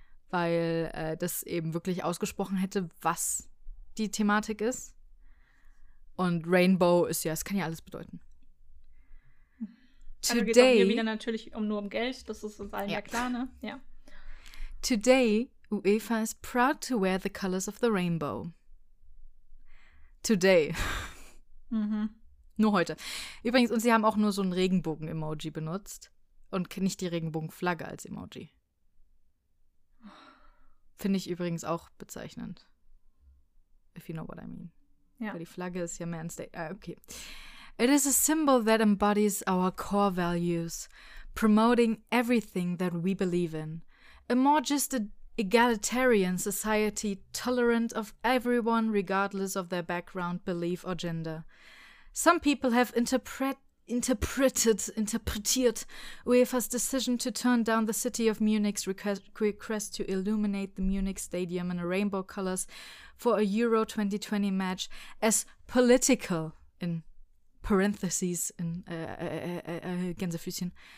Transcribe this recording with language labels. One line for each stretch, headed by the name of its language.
German: Weil das eben wirklich ausgesprochen hätte, was die Thematik ist. Und Rainbow ist ja, es kann ja alles bedeuten. Also today, geht es wieder natürlich nur um Geld, das ist uns allen ja klar, ne? Ja.
English: Today, UEFA is proud to wear the colors of the rainbow. Today. Mhm.
German: Nur heute. Übrigens, und sie haben auch nur so ein Regenbogen-Emoji benutzt und nicht die Regenbogenflagge als Emoji. Finde ich übrigens auch bezeichnend.
English: If you know what I mean.
German: Ja. Weil die Flagge ist ja mehr ein okay.
English: It is a symbol that embodies our core values, promoting everything that we believe in. A more just egalitarian society, tolerant of everyone regardless of their background, belief or gender. Some people have interpreted UEFA's decision to turn down the city of Munich's request to illuminate the Munich stadium in rainbow colors for a Euro 2020 match as political, in parentheses,
German: in Gänsefüßchen.